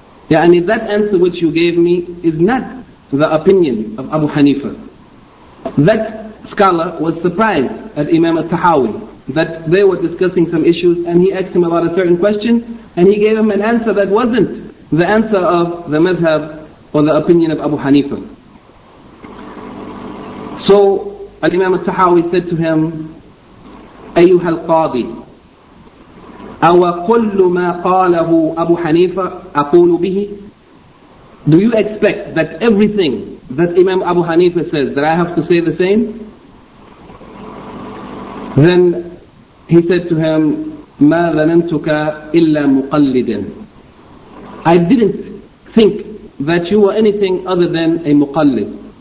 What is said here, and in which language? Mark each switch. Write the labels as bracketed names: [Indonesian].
[English] That answer which you gave me is not the opinion of Abu Hanifa. That scholar was surprised at Imam Al-Sahawi, that they were discussing some issues, and he asked him about a certain question, and he gave him an answer that wasn't the answer of the madhab or the opinion of Abu Hanifa. So Al-Imam Al-Sahawi said to him, [Arabic] أَيُّهَا الْقَاضِي أَوَقُلُّ مَا قَالَهُ أَبُو حَنِيفَ أَقُولُ بِهِ. [English] Do you expect that everything that Imam Abu Hanifa says, that I have to say the same? Then he said to him, [Arabic] مَا ظَنَنْتُكَ إِلَّا مُقَلِّدًا. [English] I didn't think that you were anything other than a muqallid.